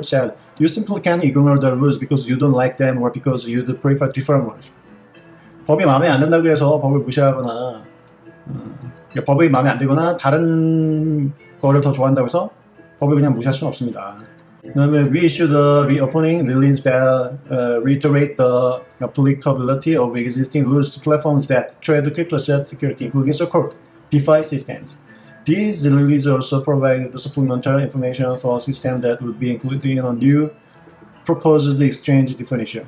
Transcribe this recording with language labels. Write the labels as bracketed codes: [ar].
[en] said, You simply can't ignore the rules because you don't like them or because you'd prefer different ones. [ko] 법이 마음에 안 든다고 해서 법을 무시하거나 법이 마음에 안 들거나 다른 거를 더 좋아한다고 해서 법을 그냥 무시할 수는 없습니다. 그다음에 [en] we issue the reopening rulings that reiterate the applicability of existing rules to platforms that trade crypto asset security, including so-called DeFi systems. These releases also provide the supplemental information for a system that would be included in a new proposed exchange definition.